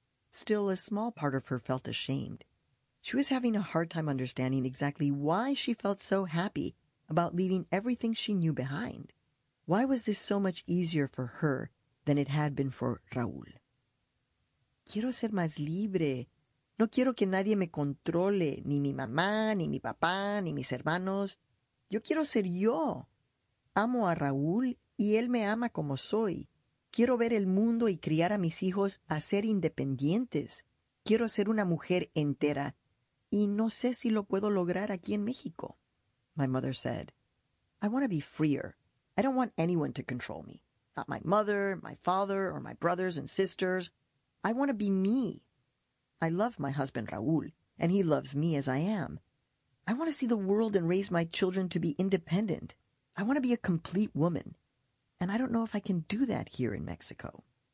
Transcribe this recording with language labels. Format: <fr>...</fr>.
<en>Still, a small part of her felt ashamed. She was having a hard time understanding exactly why she felt so happy about leaving everything she knew behind. Why was this so much easier for her than it had been for Raúl?</en> <es>Quiero ser más libre. No quiero que nadie me controle, ni mi mamá, ni mi papá, ni mis hermanos. Yo quiero ser yo. Amo a Raúl y él me ama como soy. Quiero ver el mundo y criar a mis hijos a ser independientes. Quiero ser una mujer entera y no sé si lo puedo lograr aquí en México.</es> <en>My mother said, I want to be freer. I don't want anyone to control me. Not my mother, my father, or my brothers and sisters, I want to be me. I love my husband, Raul, and he loves me as I am. I want to see the world and raise my children to be independent. I want to be a complete woman, and I don't know if I can do that here in Mexico.</en>